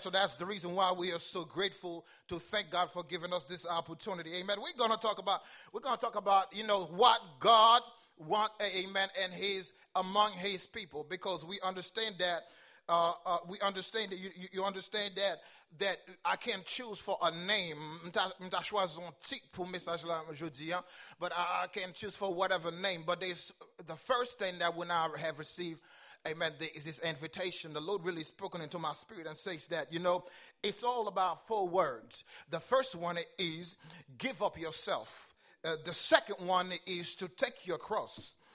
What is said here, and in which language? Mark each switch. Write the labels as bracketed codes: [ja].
[en] So that's the reason why we are so grateful to thank God for giving us this opportunity. Amen. We're going to talk about, you know, what God wants, amen, and his among his people, because we understand that. We understand that you understand that I can't choose for a name. [ht] M'ta choisir titre pour message là aujourd'hui, hein? [en] But I can't choose for whatever name. But there's the first thing that we now have received, amen, is this invitation. The Lord really spoken into my spirit and says that, you know, it's all about four words. The first one is give up yourself. The second one is to take your cross.